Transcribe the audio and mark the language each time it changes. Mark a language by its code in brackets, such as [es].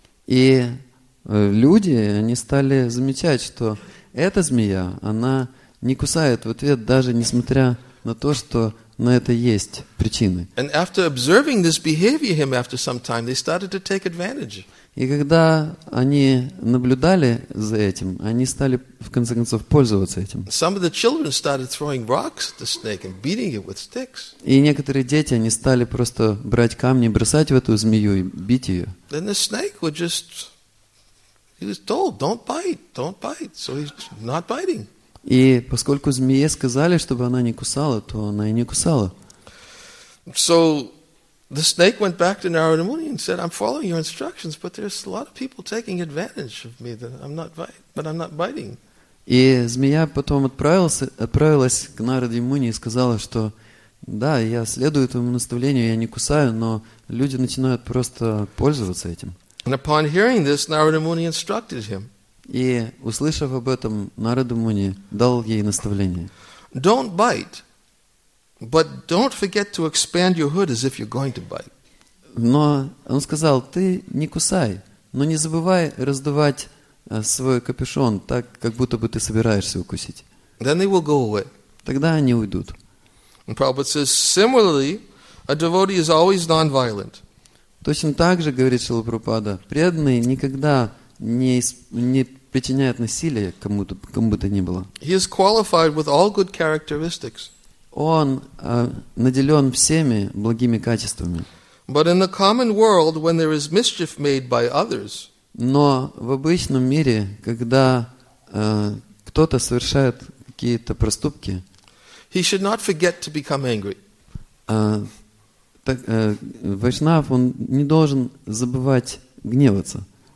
[ru] И люди, они стали замечать, что эта змея, она не кусает в ответ, даже несмотря на то, что на это есть причины. [en] And after observing this behavior him after some time, they started to take advantage. [ru] И когда они наблюдали за этим, они стали, в конце концов, пользоваться этим. [en] Some of the children started throwing rocks at the snake and beating it with sticks. [ru] И некоторые дети, они стали просто брать камни, бросать в эту змею и бить ее. [en] Then the snake would just... He was told, don't bite, don't bite. So he's not biting. [ru] И поскольку змее сказали, чтобы она не кусала, то она и не кусала. [en] So... The snake went back to Narada Muni and said, I'm following your instructions, but there's a lot of people taking advantage of me that I'm not but I'm not biting. [ru] И змея потом отправилась к Нараде Муни и сказала, что да, я следую твоему наставлению, я не кусаю, но люди начинают просто пользоваться этим. [en] And upon hearing this, Narada Muni instructed him. [ru] И услышав об этом, Нарада Муни дал ей наставление. [en] Don't bite. But don't forget to expand your hood as if you're going to bite. [ru] Но он сказал: ты не кусай, но не забывай раздувать свой капюшон так, как будто бы ты собираешься укусить. [en] Then they will go away. [ru] Тогда они уйдут. [en] And Prabhupada says, similarly, a devotee is always non-violent. [ru] Точно так же, говорит Шрила Прабхупада, преданный никогда не причиняет насилие кому-то, кому бы то ни было. [en] He is qualified with all good characteristics. [ru] Он наделен всеми благими качествами. [en] But in the common world, when there is mischief made by others, [ru] но в обычном мире, когда кто-то совершает какие-то проступки, [en] he should not forget to become angry. [ru] Вайшнав, он не должен забывать гневаться.